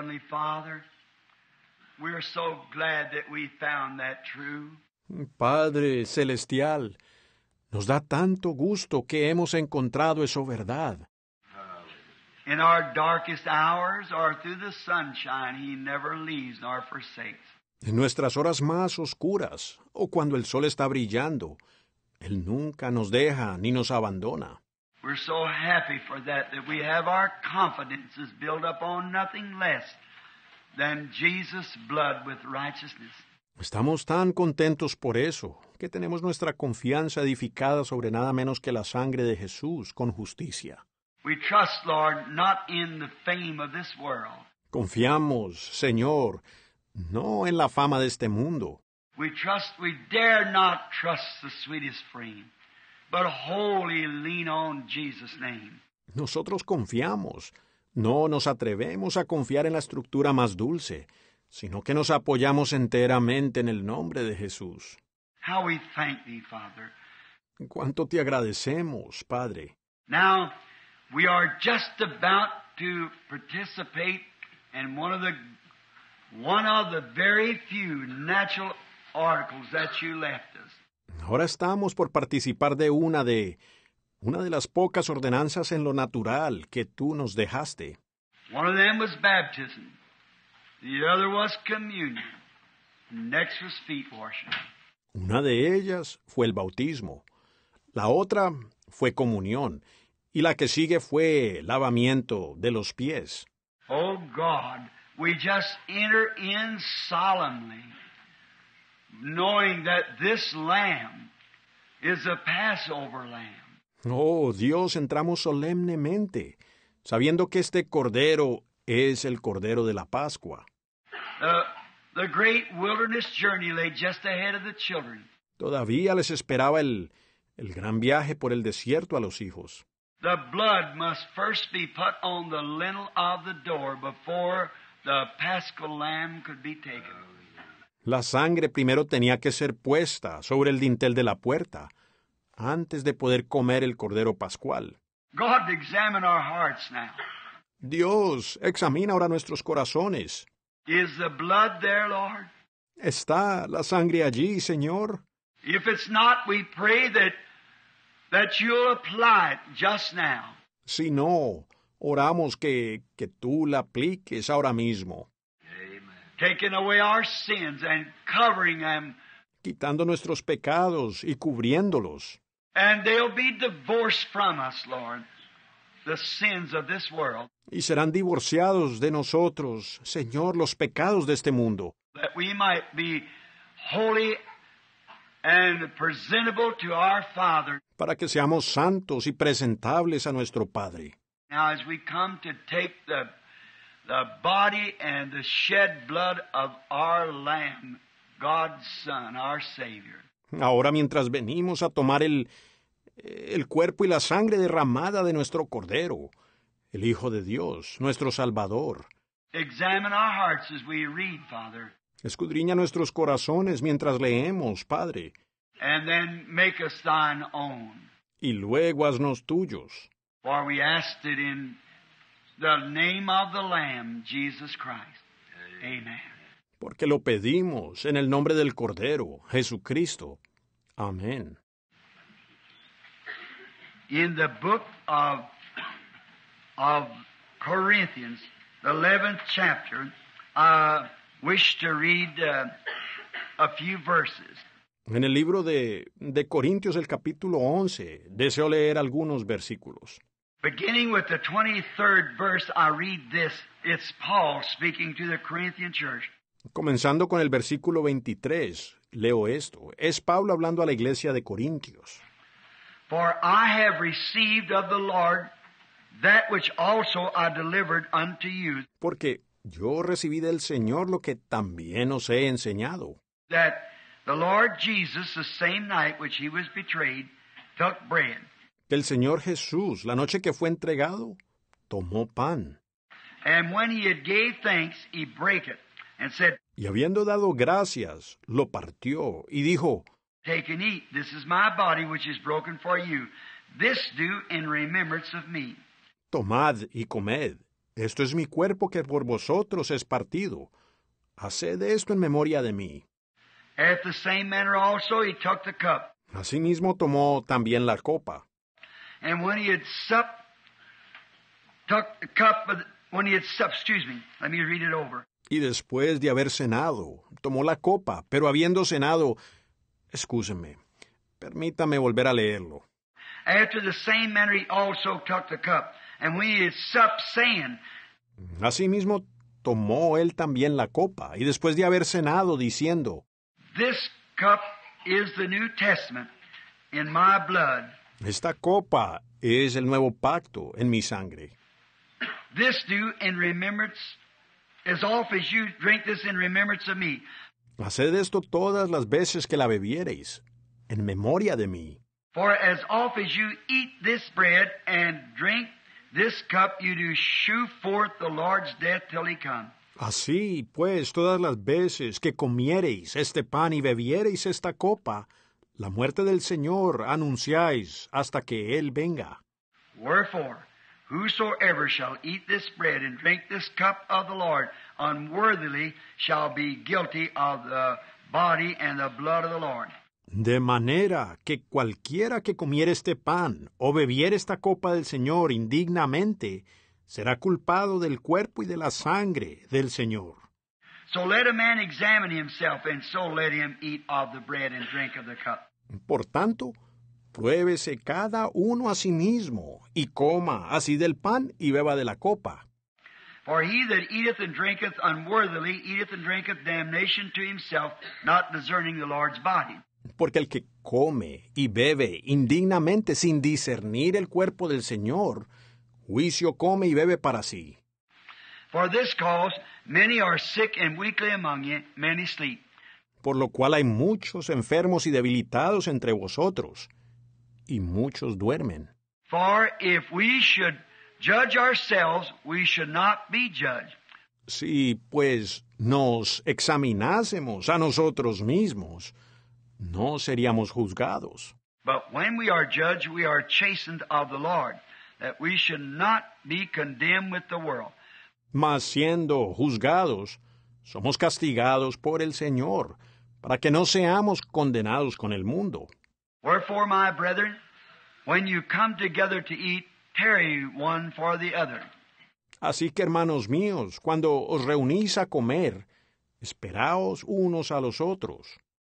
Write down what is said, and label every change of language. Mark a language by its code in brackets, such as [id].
[en] Father, we're so glad that we found that true. [es] Padre celestial, nos da tanto gusto que hemos encontrado eso verdad. [en] In our darkest hours or through the sunshine, he never leaves nor forsakes. [es] En nuestras horas más oscuras o cuando el sol está brillando, él nunca nos deja ni nos abandona. [en] We're so happy for that we have our confidences built up on nothing less than Jesus' blood with righteousness. [es] Estamos tan contentos por eso, que tenemos nuestra confianza edificada sobre nada menos que la sangre de Jesús con justicia. [en] We trust, Lord, not in the fame of this world. [es] Confiamos, Señor, no en la fama de este mundo. [en] We dare not trust the sweetest frame, but wholly lean on Jesus' name. [es] Nosotros confiamos. No nos atrevemos a confiar en la estructura más dulce, sino que nos apoyamos enteramente en el nombre de Jesús. [en] How we thank thee, Father. [es] ¿Cuánto te agradecemos, Padre? [en] Now, we are just about to participate in one of the very few natural articles that you left us. [es] Ahora estamos por participar de una de las pocas ordenanzas en lo natural que tú nos dejaste. [en] One of them was baptism. The other was communion. Next was feet washing. [es] Una de ellas fue el bautismo. La otra fue comunión. Y la que sigue fue lavamiento de los pies. [en] Oh, God, we just enter in solemnly, knowing that this lamb is a Passover lamb. [es] Oh, Dios, entramos solemnemente, sabiendo que este cordero es el cordero de la Pascua. [en] The great wilderness journey lay just ahead of the children. [es] Todavía les esperaba el gran viaje por el desierto a los hijos. [en] The blood must first be put on the lintel of the door before the paschal lamb could be taken. [es] La sangre primero tenía que ser puesta sobre el dintel de la puerta antes de poder comer el cordero pascual. [en] God, examine our hearts now. [es] Dios, examina ahora nuestros corazones. [en] Is the blood there, Lord? [es] ¿Está la sangre allí, Señor? [en] If it's not, we pray that you'll apply it just now. [es] Si no, oramos que tú la apliques ahora mismo. [en] Amen. Taking away our sins and covering them. [es] Quitando nuestros pecados y cubriéndolos. [en] And they'll be divorced from us, Lord, the sins of this world. [es] Y serán divorciados de nosotros, Señor, los pecados de este mundo. [en] That we might be holy and presentable to our Father. [es] Para que seamos santos y presentables a nuestro Padre. [en] Now as we come to take the body and the shed blood of our Lamb, God's Son, our Savior. [es] Ahora mientras venimos a tomar el cuerpo y la sangre derramada de nuestro Cordero, el Hijo de Dios, nuestro Salvador. [en] Examine our hearts as we read, Father. [es] Escudriña nuestros corazones mientras leemos, Padre. [en] And then make us thine own. [es] Y luego haznos tuyos. [en] For we asked it in the name of the Lamb, Jesus Christ. Amen. [es] Porque lo pedimos en el nombre del Cordero, Jesucristo. Amén. [en] In the book of Corinthians, the 11th chapter, wish to read a few verses. [es] En el libro de Corintios, el capítulo 11, deseo leer algunos versículos. [en] Beginning with the 23rd verse, I read this. It's Paul speaking to the Corinthian church. [es] Comenzando con el versículo 23, leo esto. Es Pablo hablando a la iglesia de Corintios. [en] For I have received of the Lord that which also I delivered unto you. [es] Porque yo recibí del Señor lo que también os he enseñado. [en] That the Lord Jesus, the same night which he was betrayed, took bread. [es] Que el Señor Jesús, la noche que fue entregado, tomó pan. [en] And when he had gave thanks, he broke it, and said, [es] y habiendo dado gracias, lo partió, y dijo, [en] take and eat, this is my body which is broken for you. This do in remembrance of me. [es] Tomad y comed. Esto es mi cuerpo que por vosotros es partido. Haced esto en memoria de mí. [en] At the same manner also he took the cup. [es] Asimismo tomó también la copa. [en] And when he had supped, took the cup, when he had supped, excuse me, let me read it over. [es] Y después de haber cenado, tomó la copa, pero habiendo cenado, excúsenme, permítame volver a leerlo. [en] After the same manner he also took the cup. And when he had supped, saying, [es] asimismo tomó él también la copa, y después de haber cenado, diciendo, [en] this cup is the New Testament in my blood. [es] Esta copa es el nuevo pacto en mi sangre. [en] This do in remembrance, as often as you drink this in remembrance of me. [es] Haced esto todas las veces que la bebiereis, en memoria de mí. [en] For as often as you eat this bread and drink this cup, you do shew forth the Lord's death till he come. [es] Así, pues, todas las veces que comiereis este pan y bebiereis esta copa, la muerte del Señor anunciáis hasta que Él venga. [en] Wherefore, Whosoever shall eat this bread and drink this cup of the Lord unworthily shall be guilty of the body and the blood of the Lord. [es] De manera que cualquiera que comiere este pan o bebiere esta copa del Señor indignamente será culpado del cuerpo y de la sangre del Señor. [en] So let a man examine himself, and so let him eat of the bread and drink of the cup. [es] Por tanto, pruébese cada uno a sí mismo, y coma así del pan y beba de la copa. [en] For he that eateth and drinketh unworthily, eateth and drinketh damnation to himself, not discerning the Lord's body. [es] Porque el que come y bebe indignamente sin discernir el cuerpo del Señor, juicio come y bebe para sí. [en] For this cause, many are sick and weakly among you, many sleep. [es] Por lo cual hay muchos enfermos y debilitados entre vosotros, y muchos duermen. [en] For if we should judge ourselves, we should not be judged. [es] Si, pues, nos examinásemos a nosotros mismos, no seríamos juzgados. [en] But when we are judged, we are chastened of the Lord, that we should not be condemned with the world. [es] Mas siendo juzgados, somos castigados por el Señor, para que no seamos condenados con el mundo. [en] Wherefore, my brethren, when you come together to eat, tarry one for the other. [es] Así que, hermanos míos, cuando os reunís a comer, esperaos unos a los otros.